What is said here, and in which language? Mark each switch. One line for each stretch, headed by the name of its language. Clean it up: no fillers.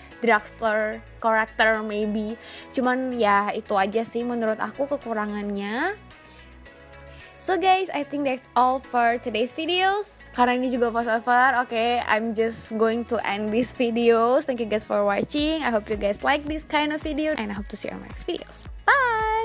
English: drugstore character maybe.
Indonesian: Cuman ya itu aja sih menurut aku kekurangannya.
English: So guys, I think that's all for today's videos.
Indonesian: Karena ini juga voiceover,
English: okay, I'm just going to end these videos. Thank you guys for watching. I hope you guys like this kind of video. And I hope to see you on my next videos. Bye!